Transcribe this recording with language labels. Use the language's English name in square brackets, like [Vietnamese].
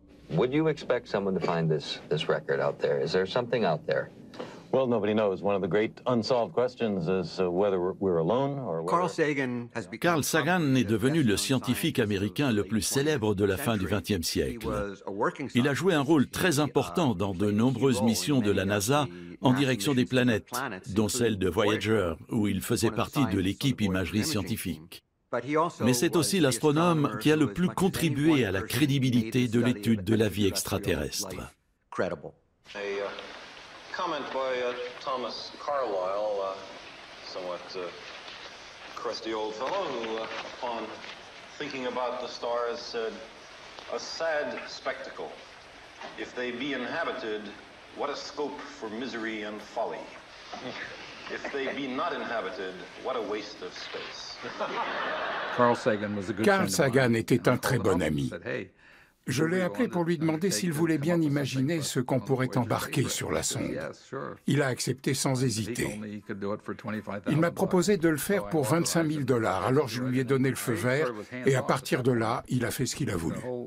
[English] Would you expect someone to find this record out there? Is there something out there? Well, nobody knows. One of the great unsolved questions is whether we're alone or whether... Carl Sagan has become... [French] Carl Sagan est devenu le scientifique américain le plus célèbre de la fin du XXe siècle. Il a joué un rôle très important dans de nombreuses missions de la NASA en direction des planètes, dont celle de Voyager, où il faisait partie de l'équipe imagerie scientifique. Mais c'est aussi l'astronome qui a le plus contribué à la crédibilité de l'étude de la vie extraterrestre. [English] If they be not inhabited, what a waste of space. Carl Sagan was a good friend. [French] Carl Sagan était un très bon ami. Je l'ai appelé pour lui demander s'il voulait bien imaginer ce qu'on pourrait embarquer sur la sonde. Il a accepté sans hésiter. Il m'a proposé de le faire pour $25,000, alors je lui ai donné le feu vert, et à partir de là, il a fait ce qu'il a voulu.